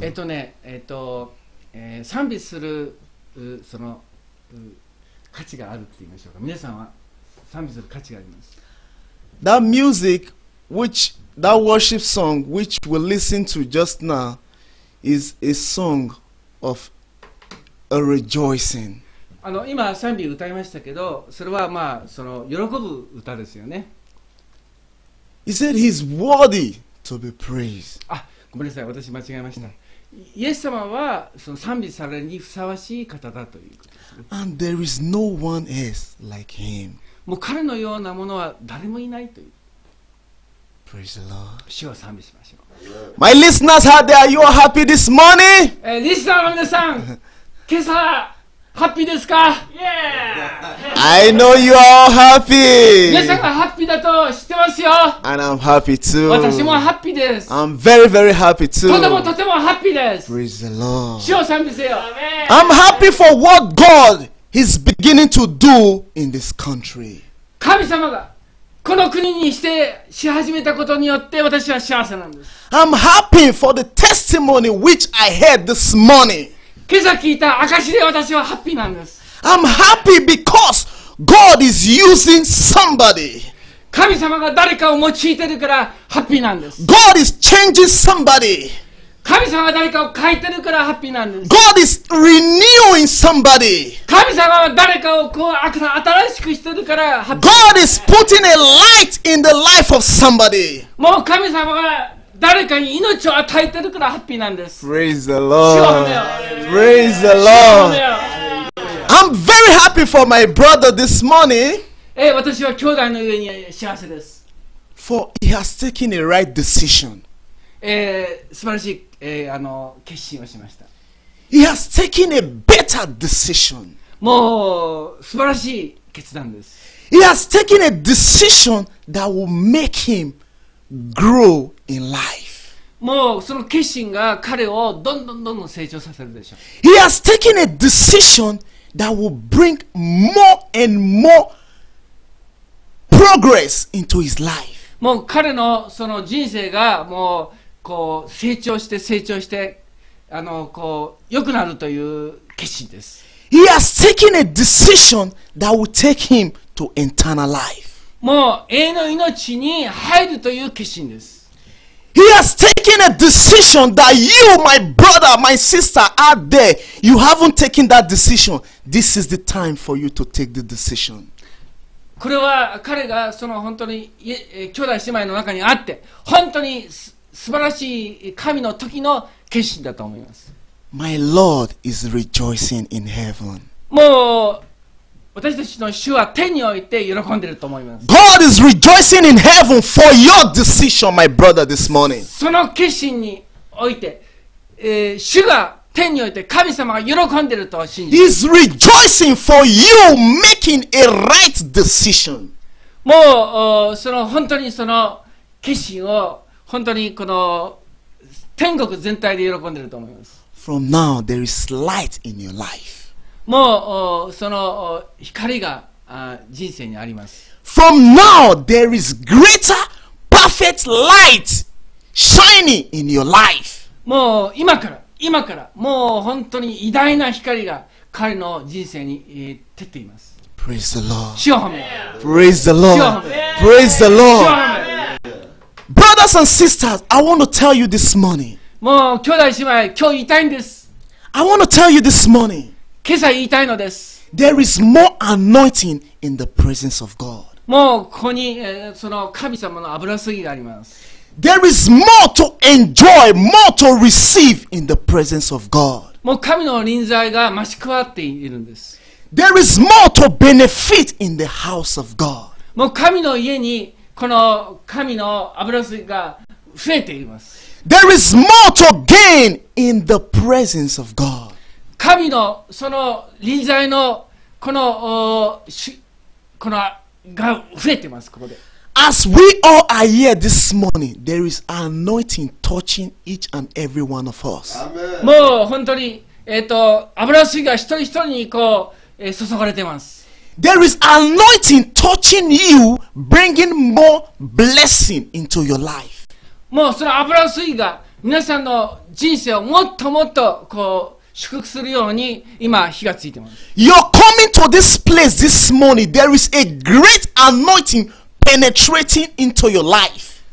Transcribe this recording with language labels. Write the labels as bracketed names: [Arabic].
[English] That music, which that worship song, which we listened to just now, is a song of a rejoicing. [Japanese] あの今賛美歌いましたけど、それはまあその喜ぶ歌ですよね。 [English] He said he's worthy to be praised. [Japanese] あ、ごめんなさい、私間違えました。イエス様はその賛美されにふさわしい方だということです、ね。 [English] And there is no one else like him. [Japanese] もう彼のようなものは誰もいないという。 [English] Praise the Lord. [Japanese] 主を賛美しましょう。 [English] My listeners, how are you happy this morning? [Japanese] リスナーの皆さん、今朝ハッピーですか? [English] Yeah! I know you are all happy! [Japanese] 皆さんがハッピーだと知ってますよ! [English] And I'm happy too! [Japanese] 私もハッピーです! [English] I'm very very happy too! [Japanese] とてもとてもハッピーです! [English] Praise the Lord! [Japanese] 主を賛美せよ! [English] I'm happy for what God is beginning to do in this country! [Japanese] 神様がこの国にしてし始めたことによって私は幸せなんです! [English] I'm happy for the testimony which I heard this morning! [Japanese] 今朝聞いた証で私はハッピーなんです。 [English] I'm happy because God is using somebody. [Japanese] 神様が誰かを用いてるからハッピーなんです。 [English] God is changing somebody. [Japanese] 神様が誰かを変えてるからハッピーなんです。 [English] God is renewing somebody. [Japanese] 神様は誰かをこう新しくしてるからハッピーなんです。 [English] God is putting a light in the life of somebody. [Japanese] もう神様が誰かに命を与えてるからハッピーなんです。 [English] Praise the Lord. Praise the Lord. I'm very happy for my brother this morning. [Japanese] 私は兄弟の上に幸せです。 [English] For he has taken a right decision. [Japanese] 素晴らしい、あの決心をしました。 [English] He has taken a better decision. [Japanese] もう素晴らしい決断です。 [English] He has taken a decision that will make him grow. In life. [Japanese] もうその決心が彼をどんどんどんどん成長させるでしょう。 [English] He has taken a decision that will bring more and more progress into his life. [Japanese] もう彼のその人生がもうこう成長して成長してあのこう良くなるという決心です。 [English] He has taken a decision that will take him to eternal life. [Japanese] もう永遠の命に入るという決心です。 [English] He has taken a decision that you, my brother, my sister, are there. You haven't taken that decision. This is the time for you to take the decision. [Japanese] これは彼がその本当に兄弟姉妹の中にあって本当に素晴らしい神の時の決心だと思います。 [English] My Lord is rejoicing in heaven. [Japanese] もう私たちの主は天において喜んでると思います。 [English] God is rejoicing in heaven for your decision, my brother, this morning. [Japanese] その決心において、主が天において神様が喜んでると信じます。 [English] He is rejoicing for you making a right decision. [Japanese] もうその本当にその決心を本当にこの天国全体で喜んでると思います。 [English] From now, there is light in your life. [Japanese] もうその光が人生にあります。 [English] From now, there is greater, perfect light shining in your life. [Japanese] もう今から、今から、もう本当に偉大な光が彼の人生に照っています。 [English] Praise the Lord. [Japanese] 主を褒め。 [English] Praise the Lord. [Japanese] 主を褒め。 [English] Praise the Lord. [Japanese] 主を褒め。 [English] Brothers and sisters, I want to tell you this morning. [Japanese] もう兄弟姉妹、今日言いたいんです。 [English] I want to tell you this morning. [Japanese] 今朝言いたいのです。 [English] There is more anointing in the presence of God. [Japanese] もうここに、その神様の油注ぎがあります。 [English] There is more to enjoy, more to receive in the presence of God. [Japanese] もう神の臨在が増し加わっているんです。 [English] There is more to benefit in the house of God. [Japanese] もう神の家にこの神の油注ぎが増えています。 [English] There is more to gain in the presence of God. [Japanese] 神のその臨在のこのこのが増えてますここで。 [English] As we all are here this morning, there is anointing touching each and every one of us. [Japanese] もう本当に油注ぎが一人一人にこう、注がれてます。 [English] There is anointing touching you, bringing more blessing into your life. [Japanese] もうその油注ぎが皆さんの人生をもっともっとこう祝福するように今火がついてます。 [English] You're coming to this place this morning. There is a great anointing penetrating into your life.